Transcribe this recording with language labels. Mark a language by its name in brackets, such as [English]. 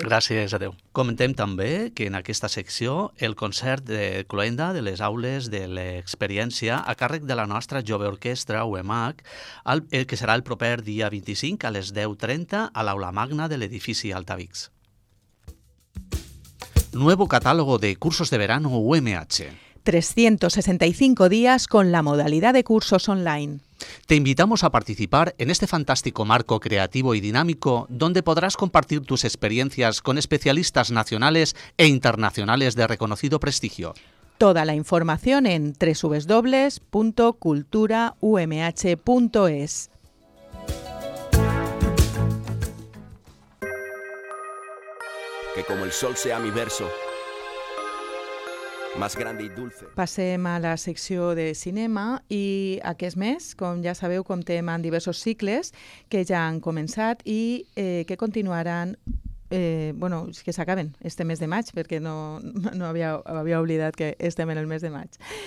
[Catalan] Gràcies, adeu. Comentem també que en aquesta secció el concert de Cloenda de les aules de l'experiència a càrrec de la nostra jove orquestra UMH, el que serà el proper dia 25 a les 10:30 a l'aula magna de l'edifici Altavix. [Spanish] Nuevo catálogo de cursos de verano UMH. 365 días con la modalidad de cursos online. Te invitamos a participar en este fantástico marco creativo y dinámico, donde podrás compartir tus experiencias con especialistas nacionales e internacionales de reconocido prestigio. Toda la información en www.culturaumh.es. Que como el sol sea mi verso. Más grande i dulce. [Catalan] Passem a la secció de cinema i aquest mes, com ja sabeu, comptem amb diversos cicles que ja han començat i que continuaran, bueno, que s'acaben este mes de maig, perquè no havia oblidat que estem en el mes de maig.